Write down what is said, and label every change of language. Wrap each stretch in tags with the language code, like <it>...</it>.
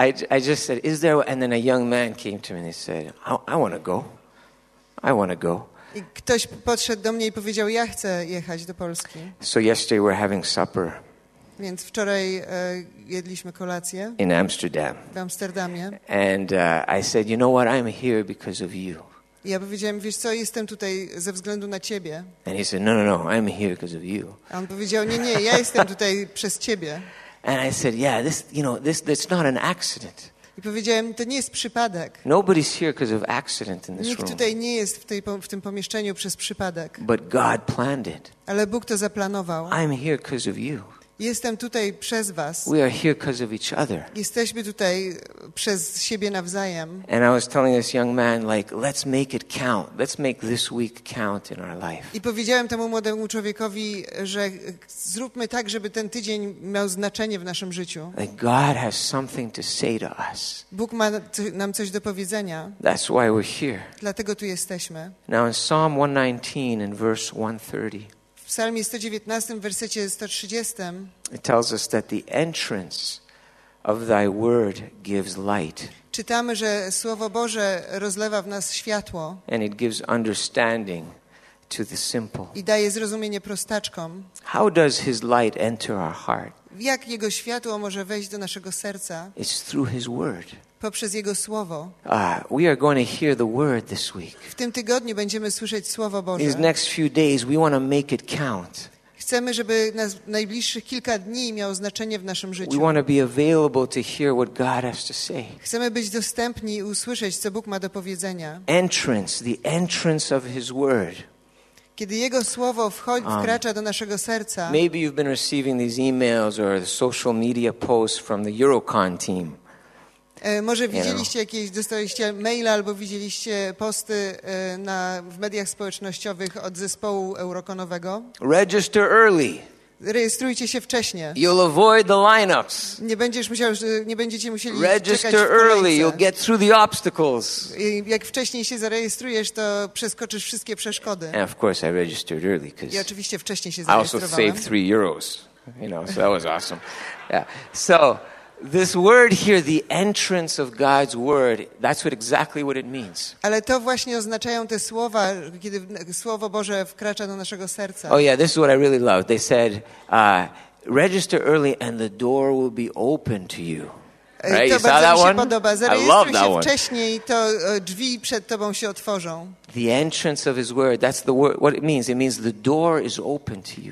<en>I just said, is there? And then a young man came to me and he said, I want to go.</en> <pl>I ktoś podszedł do mnie i powiedział, ja chcę jechać do Polski.</pl> <en>So yesterday we're having supper.</en> <pl>Więc wczoraj jedliśmy kolację.</pl> <en>In Amsterdam.</en> <pl>W Amsterdamie.</pl> <en>And I said, you know what, I'm here because of you.</en> <pl>I ja powiedziałem, wiesz co, jestem tutaj ze względu na ciebie.</pl> <en>And he said, no, I'm here because of you.</en> <pl>A on powiedział, nie, ja jestem tutaj przez ciebie.</pl> <en>And I said, yeah, this, you know, this, it's not an accident.</en> <pl>I powiedziałem, to nie jest przypadek.</pl> <en>Nobody's here because of accident in this room.</en> <pl>Nikt tutaj nie jest w tym pomieszczeniu przez przypadek.</pl> <en>But God planned it.</en> <pl>Ale Bóg to zaplanował.</pl> <en>I'm here because of you.</en> <pl>Jestem tutaj przez was.</pl> <en>We are here because of each other.</en> <pl>Jesteśmy tutaj przez siebie nawzajem.</pl> <en>And I was telling this young man, like, let's make it count. Let's make this week count in our life.</en> <pl>I powiedziałem temu młodemu człowiekowi, że zróbmy tak, żeby ten tydzień miał znaczenie w naszym życiu.</pl> <en>Like God has something to say to us.</en> <pl>Bóg ma nam coś do powiedzenia.</pl> <en>That's why we're here.</en> <pl>Dlatego tu jesteśmy.</pl> <en>Now in Psalm 119 in verse 130.</en> <pl>W Psalmie 119, w wersecie 130.</pl> <en>It tells us that the entrance of thy word gives light.</en> <pl>Czytamy, że Słowo Boże rozlewa w nas światło.</pl> <en>And it gives understanding to the simple.</en> <pl>I daje zrozumienie prostaczkom.</pl> <en>How does his light enter our heart?</en> <pl>Jak jego światło może wejść do naszego serca?</pl> <en>It's through his word.</en> <pl>Poprzez jego słowo.</pl> <en>We are going to hear the word this week.</en> <pl>W tym tygodniu będziemy słyszeć słowo Boże.</pl> <en>These next few days we want to make it count.</en> <pl>Chcemy, żeby nas najbliższych kilka dni miało znaczenie w naszym życiu.</pl> <en>We want to be available to hear what God has to say.</en> <pl>Chcemy być dostępni i usłyszeć, co Bóg ma do powiedzenia.</pl> <en>Entrance, the entrance of his word.</en> <pl>Kiedy jego słowo wkracza do naszego serca.</pl> <en>Maybe you've been receiving these emails or social media posts from the Eurocon team.</en> <pl>Może widzieliście jakieś, dostaliście maila albo widzieliście posty w mediach społecznościowych od zespołu eurokonowego.</pl> <en>Register early.</en> <pl>Rejestrujcie się wcześnie.</pl> <en>You'll avoid the lineups.</en> <pl>Nie będziecie musieli</pl> <en>register</en> <pl>czekać w kolejce.</pl> <en>Early, you'll get through the obstacles.</en> <pl>Jak wcześniej się zarejestrujesz, to przeskoczysz wszystkie przeszkody.</pl> <en>And of course I registered early, because</en> <pl>ja oczywiście wcześniej się zarejestrowałem.</pl> <en>I also saved 3 euros. You know, so that was awesome. Yeah. So this word here, the entrance of God's word, that's what exactly what it means.</en> <pl>Ale to właśnie oznaczają te słowa, kiedy słowo Boże wkracza do naszego serca.</pl> <en>Oh yeah, this is what I really love. They said, register early and the door will be open to you. Right? You saw that one? I love that one.</en> <pl>Zarejestruj się wcześniej, to drzwi przed tobą się otworzą.</pl> <en>The entrance of his word, that's the word, what it means. It means the door is open to you.</en>